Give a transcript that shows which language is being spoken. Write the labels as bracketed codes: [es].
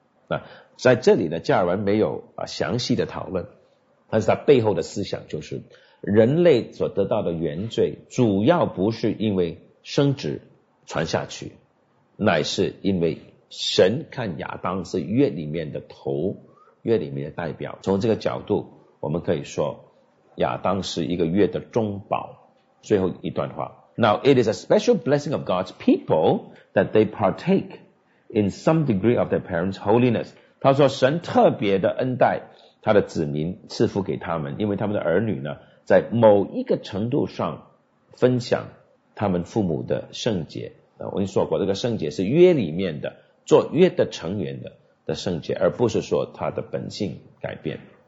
[zh] 那在这里呢，加尔文没有详细的讨论，但是他背后的思想就是人类所得到的原罪主要不是因为生殖传下去，乃是因为神看亚当是约里面的头，约里面的代表。从这个角度，我们可以说亚当是一个约的中保。最后一段话， [en] Now it is a special blessing of God's people that they partake in some degree of their parents' holiness. [zh] 他说神特别的恩待他的子民，赐福给他们，因为他们的儿女呢，在某一个程度上分享他们父母的圣洁。我跟你说过，这个圣洁是约里面的做约的成员 的圣洁，而不是说他的本性改变。